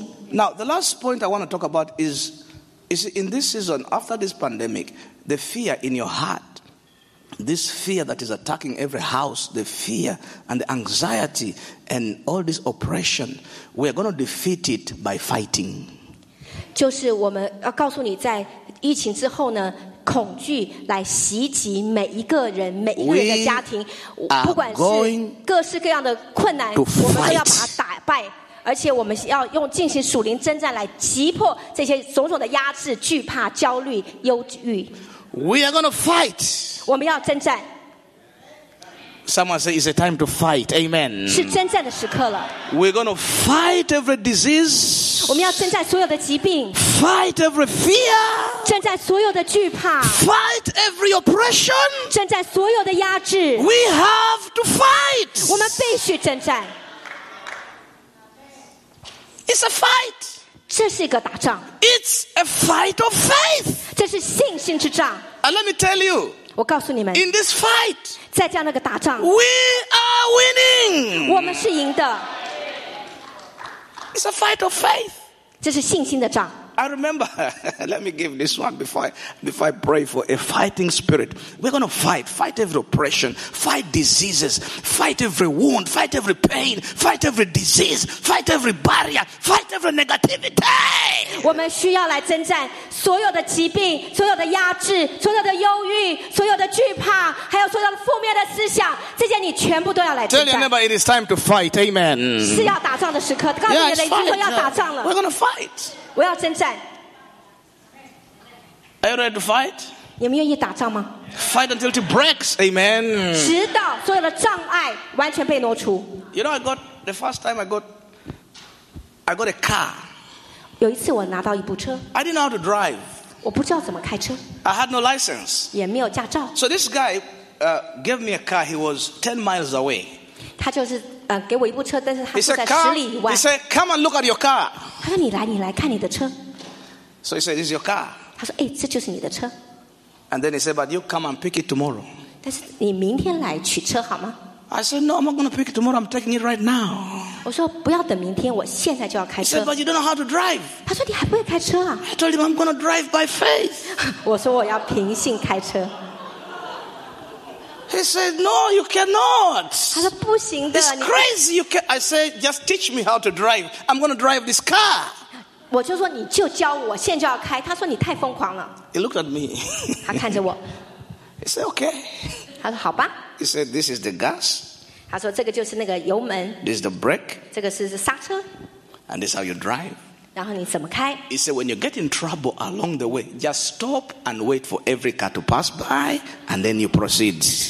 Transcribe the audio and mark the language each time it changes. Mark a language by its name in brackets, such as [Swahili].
[English] Now, the last point I want to talk about is in this season, after this pandemic, the fear in your heart, this fear that is attacking every house, the fear and the anxiety and all this oppression, we are going to defeat it by fighting. [Chinese] 就是我们要告诉你在疫情之后呢恐惧来袭击每一个人每一个人的家庭不管是各式各样的困难我们都要把它打败而且我们要用进行属灵征战来击破这些种种的压制惧怕焦虑忧郁 [English] We are going to fight [Chinese] 我们要征战 [English] Someone say it's a time to fight Amen [Chinese] 是征战的时刻了 [English] We're going to fight every disease [Chinese] 我们要征战所有的疾病 [English] Fight every fear. [Chinese] 征战所有的惧怕 [English] Fight every oppression. [Chinese] 征战所有的压制 [English] We have to fight. [Chinese] 我们必须征战 [English] It's a fight. [Chinese] 这是一个打仗 [English] It's a fight of faith. [Chinese] 这是信心之仗 [English] And let me tell you. [Chinese] 我告诉你们 [English] In this fight. [Chinese] 在这样的一个打仗 [English] We are winning. [Chinese] 我们是赢的 [English] It's a fight of faith. [Chinese] 这是信心的仗 [English] I remember, let me give this one before I pray for a fighting spirit. We're going to fight every oppression, fight diseases, fight every wound, fight every pain, fight every disease, fight every barrier, fight every negativity. [Chinese] 我们需要来征战所有的疾病,所有的压制,所有的忧郁,所有的惧怕,还有所有的负面的思想, 这些你全部都要来征战。 [English] Tell your neighbor, it is time to fight, amen. [Chinese] 是要打仗的时刻, 告诉你的邻居说要打仗了。 [English] We're going to fight. [Chinese] 我要征战。 [English] Are you ready to fight? [Chinese] 你们愿意打仗吗? [English] Fight until it breaks, amen. [Chinese] 直到所有的障碍完全被挪除。 [English] You know, the first time I got a car. [Chinese] 有一次我拿到一部车。 [English] I didn't know how to drive. [Chinese] 我不知道怎么开车。 [English] I had no license. [Chinese] 也没有驾照。 [English] So this guy gave me a car. He was 10 miles away. [Chinese] 他就是 [English] He said, come and look at your car. [Chinese] 他说你来看你的车。 [English] So he said, this is your car. [Chinese] 他说这就是你的车。 [English] And then he said, but you come and pick it tomorrow. [Chinese] 但是你明天来取车好吗? [English] I said, no, I'm not going to pick it tomorrow. I'm taking it right now. [Chinese] 我说不要等明天, [English] he said, but you don't know how to drive. [Chinese] 他说你还不会开车啊? [English] I told him, I'm going to drive by faith. [Chinese] 我说我要凭信开车。 [English] He said, no, you cannot. [Chinese] 他说不行的, [English] it's crazy. You can. I said, just teach me how to drive. I'm going to drive this car. [Chinese] 我就说你就教我, 现在就要开, 他说你太疯狂了。 [English] He looked at me. [Chinese] 他看着我。 [English] He said, okay. [Chinese] 他说好吧。 [English] He said, this is the gas. [Chinese] 他说这个就是那个油门。 [English] This is the brake. [Chinese] 这个是刹车。 [English] And this is how you drive. [Chinese] 然后你怎么开? [English] He said, when you get in trouble along the way, just stop and wait for every car to pass by, and then you proceed.